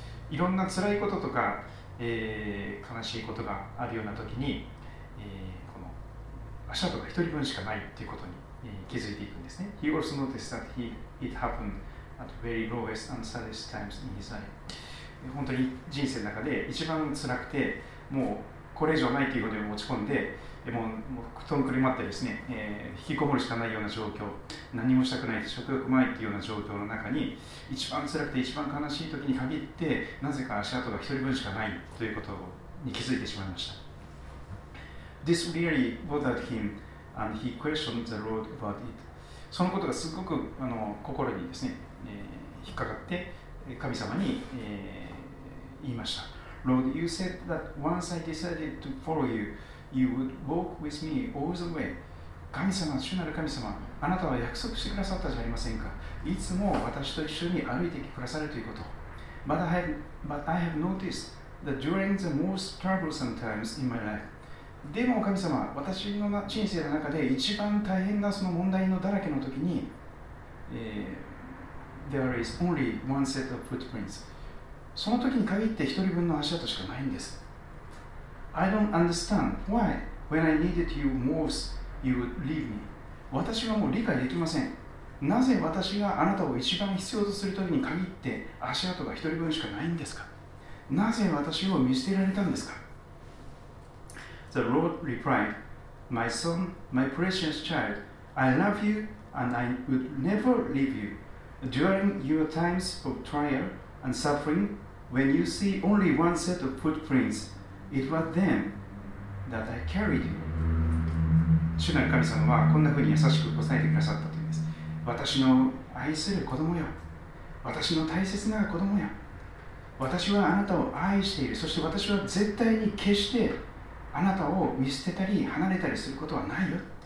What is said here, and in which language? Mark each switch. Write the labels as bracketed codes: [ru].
[ja] いろんな辛いこととか、悲しいことがあるようなときに、この足跡が一人分しかないということに、気づいていくんですね。 [en] He also noticed that it happened at very lowest and saddest times in his life。 [ja] 本当に人生の中で一番辛くて、もうこれ以上ないということに持ち込んで、もう布団くるまってですね、引きこもるしかないような状況、何もしたくない、食欲もないというような状況の中に、一番辛くて一番悲しい時に限って、なぜか足跡が一人分しかないということに気づいてしまいました。 [en] This really bothered him, and he questioned the Lord about it. [ja] そのことがすごく心にですね、引っかかって、神様に、言いました。 [en] Lord, you said that once I decided to follow you, you would walk with me all the way. [ja] 神様、主なる神様、あなたは約束してくださったじゃありませんか。いつも私と一緒に歩いてくださるということ。 [en] But I have noticed that during the most troublesome times in my life, [ja] でも神様、私の人生の中で一番大変なその問題のだらけの時に、 [en] there is only one set of footprints. [ja] その時に限って一人分の足跡しかないんです。 [en] I don't understand why when I needed you most, you would leave me. [ja] 私はもう理解できません。なぜ私があなたを一番必要とする時に限って足跡が一人分しかないんですか。なぜ私を見捨てられたんですか。 [en] The Lord replied, My son, my precious child, I love you and I would never leave you. During your times of trial and suffering, when you see only one set of footprints, it was them that I carried you. [ja] 主なる神様はこんなふうに優しく答えてくださったというんです。私の愛する子供よ。私の大切な子供よ。私はあなたを愛している。そして私は絶対に決してあなたを見捨てたり離れたりすることはないよ。